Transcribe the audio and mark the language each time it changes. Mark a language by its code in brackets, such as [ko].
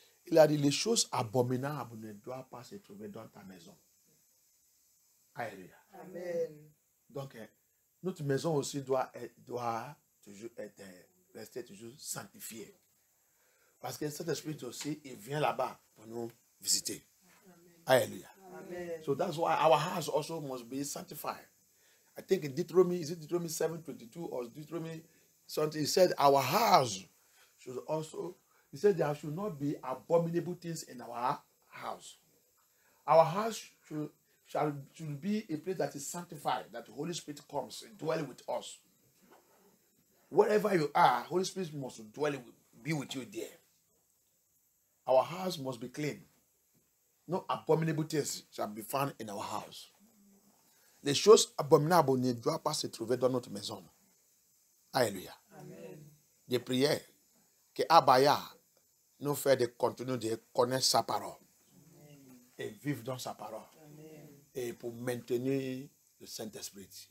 [fr] Il a dit, les choses abominables ne doivent pas se trouver dans ta maison. Alléluia. Amen. Donc, notre maison aussi doit rester toujours sanctifiée. Parce que Saint-Esprit aussi, il vient là-bas pour nous visiter. Amen. Alléluia. Amen. [en] So that's why our house also must be sanctified. I think in Deuteronomy, is it Deuteronomy 7:22 or Deuteronomy something? He said, our house should also, he said, there should not be abominable things in our house. Our house should be a place that is sanctified, that the Holy Spirit comes and dwell with us. Wherever you are, Holy Spirit must dwell be with you there. Our house must be clean. No abominable things shall be found in our house. [fr] Les choses abominables ne doivent pas se trouver dans notre maison. Alléluia. Amen. Des prières que Abaya nous fait de continuer de connaître sa parole. Amen. Et vivre dans sa parole. Amen. Et pour maintenir le Saint-Esprit.